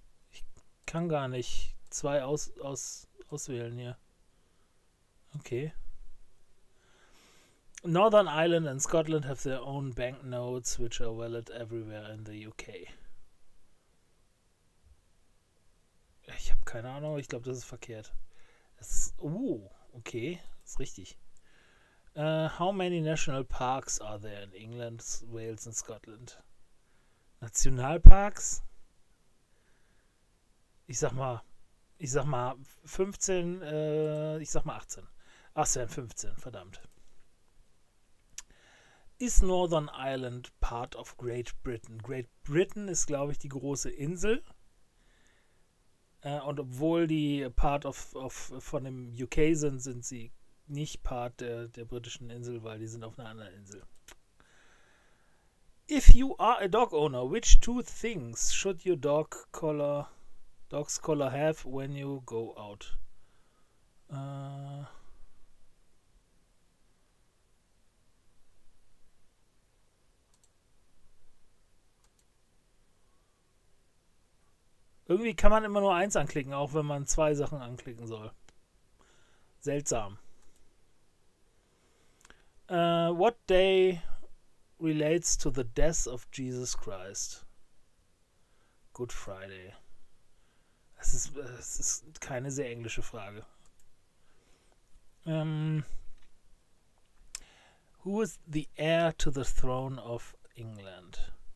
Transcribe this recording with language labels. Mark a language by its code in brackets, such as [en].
[de] Ich kann gar nicht zwei auswählen hier. Okay. [en] Northern Ireland and Scotland have their own banknotes, which are valid everywhere in the UK. [de] Ich habe keine Ahnung, ich glaube, das ist verkehrt. Das ist, okay, ist richtig. [en] How many national parks are there in England, Wales and Scotland? [de] Nationalparks? Ich sag mal 15, ich sag mal 18. Ach, es wären 15, verdammt. [en] Is Northern Ireland part of Great Britain? [de] Great Britain ist, glaube ich, die große Insel. Und obwohl die part von dem UK sind, sind sie nicht part der britischen Insel, weil die sind auf einer anderen Insel. [en] If you are a dog owner, which two things should your dog's collar have when you go out? [de] Irgendwie kann man immer nur eins anklicken, auch wenn man zwei Sachen anklicken soll. Seltsam. [en] What day relates to the death of Jesus Christ? Good Friday. [de] Das ist keine sehr englische Frage. [en] Who is the heir to the throne of England?